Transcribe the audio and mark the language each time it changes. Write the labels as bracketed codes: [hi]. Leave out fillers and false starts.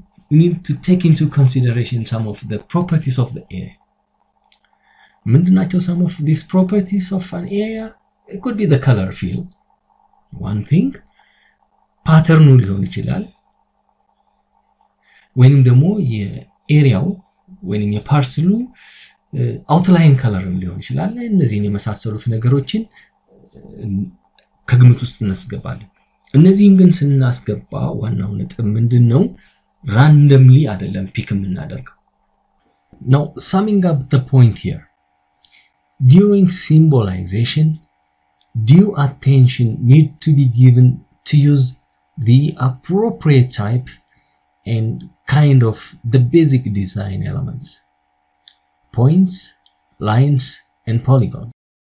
[en] We need to take into consideration some of the properties of the area. ምንድናቸው some of these properties of an area? It could be the color field, one thing. Pattern [am] ሊሆን ይችላል. ወይንም ደግሞ የኤሪያው ወይንም የፓርሰሉ አውትላይን ካለርም ሊሆን ይችላል። እነዚህን የመሳሰሉት ነገሮችን ከግምት ውስጥ እናስገባለን። እነዚህን ግን ስናስገባ ዋናው ነጥብ ምንድነው? [en] randomly አይደለም pick [am] እናደርገው። [en] Now summing up the point here. During symbolization, due attention need to be given to use the appropriate type and kind of the basic design elements, points, lines, and polygons.